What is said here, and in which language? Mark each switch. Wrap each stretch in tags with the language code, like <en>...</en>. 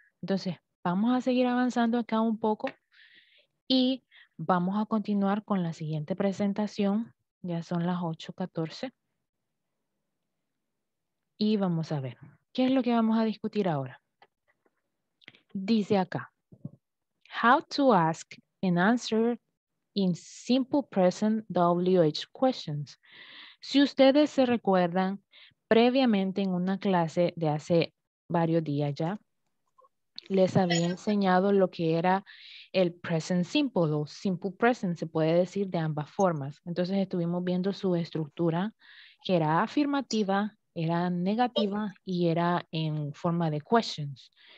<es>Entonces, vamos a seguir avanzando acá un poco. Y vamos a continuar con la siguiente presentación. Ya son las 8:14. Y vamos a ver. ¿Qué es lo que vamos a discutir ahora? Dice acá.</es> <en>How to ask and answer in simple present WH questions.</en> <es>Si ustedes se recuerdan, previamente en una clase de hace varios días ya, les había enseñado lo que era el present simple o simple present se puede decir de ambas formas. Entonces estuvimos viendo su estructura, que era afirmativa, era negativa y era en forma de questions.</es>